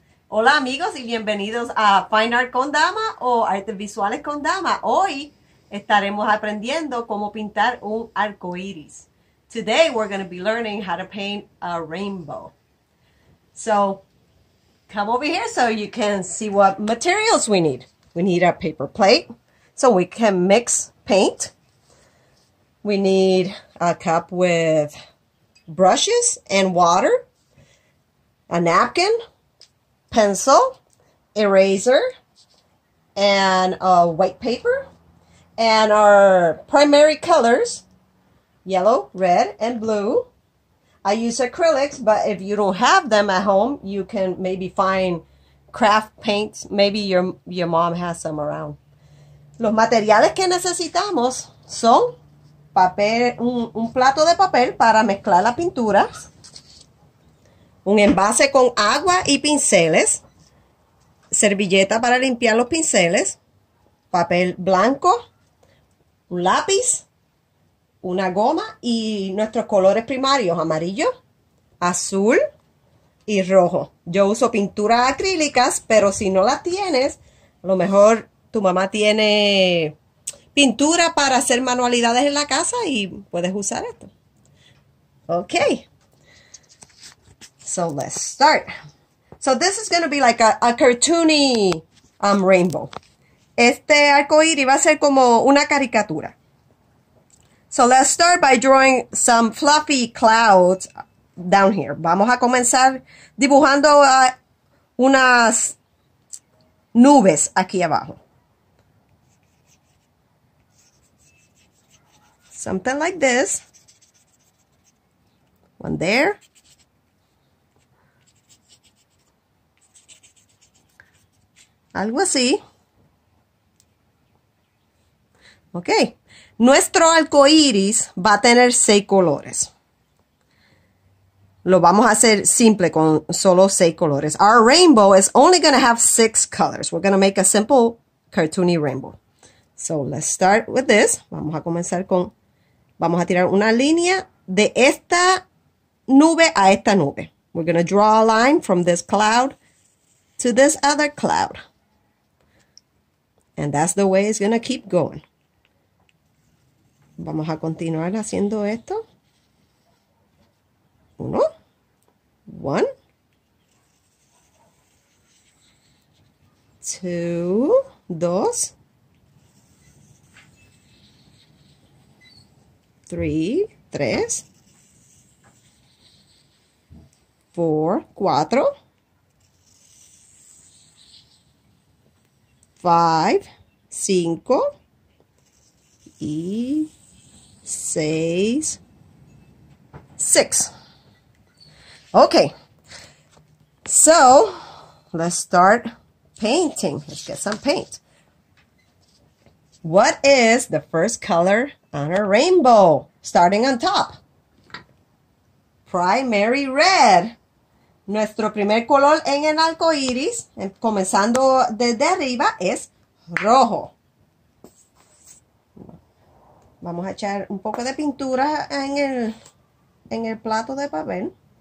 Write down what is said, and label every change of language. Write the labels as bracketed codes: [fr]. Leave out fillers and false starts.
[es] Hola amigos y bienvenidos a Fine Art con Dama o Artes Visuales con Dama. Hoy estaremos aprendiendo cómo pintar un arcoiris. [en] Today we're going to be learning how to paint a rainbow. So come over here so you can see what materials we need. We need a paper plate so we can mix paint. We need a cup with brushes and water, a napkin, pencil, eraser, and a white paper, and our primary colors, yellow, red, and blue. I use acrylics, but if you don't have them at home, you can maybe find craft paints. Maybe your mom has some around. [es] Los materiales que necesitamos son papel, un plato de papel para mezclar la pintura, un envase con agua y pinceles, servilleta para limpiar los pinceles, papel blanco, un lápiz, una goma y nuestros colores primarios, amarillo, azul y rojo. Yo uso pinturas acrílicas, pero si no las tienes, a lo mejor tu mamá tiene pintura para hacer manualidades en la casa y puedes usar esto. [en] Okay. So let's start. So this is going to be like a cartoony rainbow. Este arcoíris va a ser como una caricatura. So let's start by drawing some fluffy clouds down here. [es] Vamos a comenzar dibujando unas nubes aquí abajo. [en] Something like this. One there. [es] Algo así. Okay. Nuestro arcoíris va a tener 6 colores. Lo vamos a hacer simple con solo 6 colores. [en] Our rainbow is only going to have 6 colors. We're going to make a simple cartoony rainbow. So let's start with this. Vamos a comenzar con... [es] Vamos a tirar una línea de esta nube a esta nube. [en] We're going to draw a line from this cloud to this other cloud. And that's the way it's going to keep going. [es] Vamos a continuar haciendo esto. Uno. One. [en] Two. Dos. [es] Three, tres, four, cuatro, five, cinco, y seis, six. [en] Okay, so let's start painting. Let's get some paint. What is the first color on a rainbow? Starting on top. Primary red. [es] Nuestro primer color en el arco iris, comenzando desde arriba, es rojo. Vamos a echar un poco de pintura en el plato de papel.